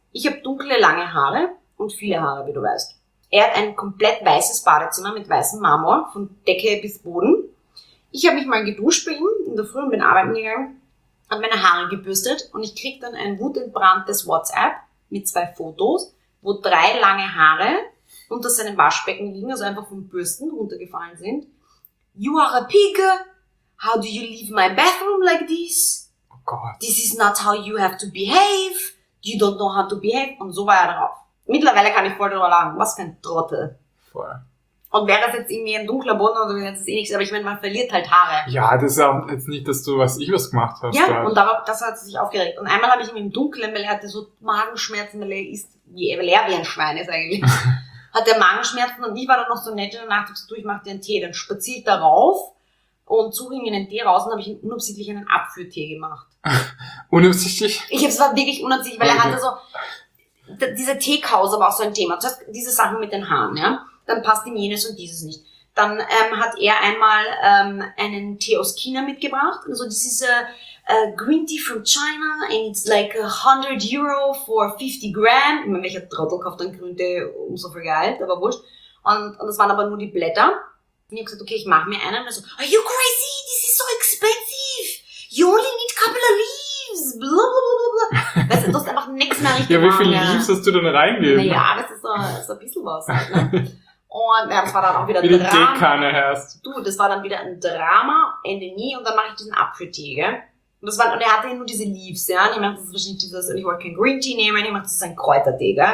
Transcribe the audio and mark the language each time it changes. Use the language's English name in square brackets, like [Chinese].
[German] Ich habe dunkle, lange Haare und viele Haare, wie du weißt. Er hat ein komplett weißes Badezimmer mit weißem Marmor, von Decke bis Boden. Ich habe mich mal geduscht bei ihm in der Früh und bin arbeiten gegangen, habe meine Haare gebürstet, und ich kriege dann ein wutentbranntes WhatsApp mit 2 Fotos, wo 3 lange Haare unter seinem Waschbecken liegen, also einfach vom Bürsten runtergefallen sind. [English] You are a pig. How do you leave my bathroom like this? [German] Oh Gott. [English] This is not how you have to behave. You don't know how to behave. [German] Und so war er drauf. Mittlerweile kann ich voll drüber lachen. Was für ein Trottel. Voll. Und wäre das jetzt irgendwie ein dunkler Boden oder so, jetzt ist eh nichts. Aber ich meine, man verliert halt Haare. Ja, das ist ja jetzt nicht, dass du, was ich was gemacht habe. Ja, und da war, das hat sich aufgeregt. Und einmal habe ich ihn im Dunkeln, weil er hatte so Magenschmerzen, weil er ist leer wie ein Schwein ist eigentlich. Hat er Magenschmerzen, und ich war dann noch so nett in der Nacht, so, du, ich mache dir einen Tee. Dann spaziert er rauf und suche ihm einen Tee raus, und habe ich ihm unabsichtlich einen Apfeltee gemacht. Unabsichtlich? Es war wirklich unabsichtlich, weil okay. Er hatte so... Diese Teekause war auch so ein Thema. Zuerst diese Sachen mit den Haaren, ja. Dann passt ihm jenes und dieses nicht. Dann hat er einmal einen Tee aus China mitgebracht. [English] Also this is a green tea from China, and it's like 100 Euro for 50 Gramm. [German] Ich meine, welcher Trottel kauft dann grünen Tee, umso viel Geld, aber wurscht. Und das waren aber nur die Blätter. Und ich habe gesagt, okay, ich mache mir einen. Und er so, [English] are you crazy? This is so expensive. You only need a couple of leaves. Blablabla. [German] Weißt du, du hast einfach nichts mehr richtig. Ja, wie viel Leaves hast du denn reingegeben? Naja, das ist ein bisschen was. Halt, ne? Und ja, das war dann auch wieder ein Drama. Wie die Dekane hast. Du, das war dann wieder ein Drama, Ende nie, und dann mache ich diesen Apfeltee, gell? Und er hatte nur diese Leaves, ja? Und ich mache das wahrscheinlich dieses, und ich wollte kein Green Tea nehmen, ich mache das ein Kräutertee, gell?